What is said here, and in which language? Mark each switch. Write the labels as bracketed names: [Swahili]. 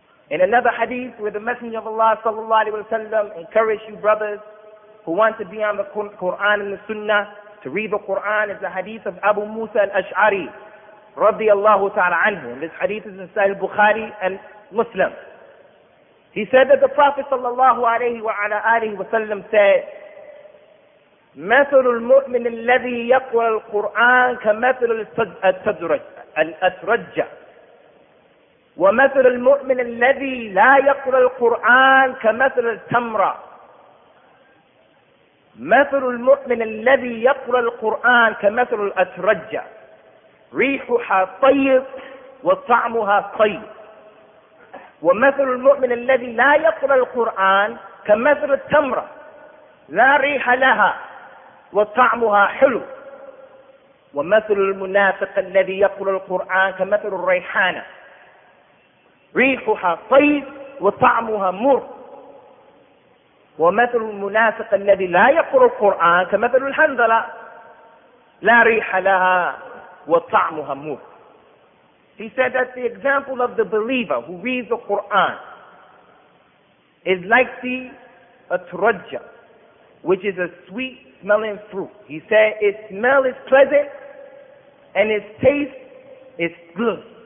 [English] In another hadith where the Messenger of Allah sallallahu alayhi wa sallam encouraged you brothers, who want to be on the Qur'an and the Sunnah, to read the Qur'an, is the hadith of Abu Musa al-Ash'ari, radiyallahu ta'ala anhu. This hadith is in Sahih al-Bukhari and Muslim. He said that the Prophet sallallahu alayhi wa ala alihi wa sallam said, [Arabic] مَثَلُ الْمُؤْمِنِ الَّذِي يَقْرَى الْقُرْآنَ كَمَثَلُ الْأَتْرَجَّةِ وَمَثَلُ الْمُؤْمِنِ الَّذِي لَا يَقْرَى الْقُرْآنَ كَمَثَلُ التَّمْرَةِ مثل المؤمن الذي يقرأ القرآن كمثل الأترجة ريحها طيب وطعمها طيب ومثل المؤمن الذي لا يقرأ القرآن كمثل التمرة لا ريح لها وطعمها حلو ومثل المنافق الذي يقرأ القرآن كمثل الريحانة ريحها طيب وطعمها مر ومثل المنافق الذي لا يقرأ القرآن كمثل الحنظلة لا ريح لها وطعمها مر. [English] He said that the example of the believer who reads the Quran is like the atrajja, which is a sweet smelling fruit. He said its smell is pleasant and its taste is good.